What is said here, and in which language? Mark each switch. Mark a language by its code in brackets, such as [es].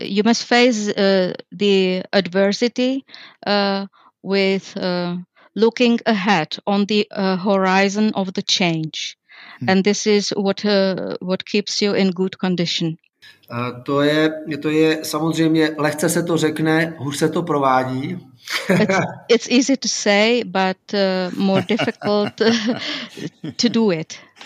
[en] You must face the adversity with looking ahead on the horizon of the change. And this is what keeps you in good condition. [cs] To je samozřejmě, lehce se to řekne, hůř se to provádí. [en] It's easy to say, but more difficult to do it.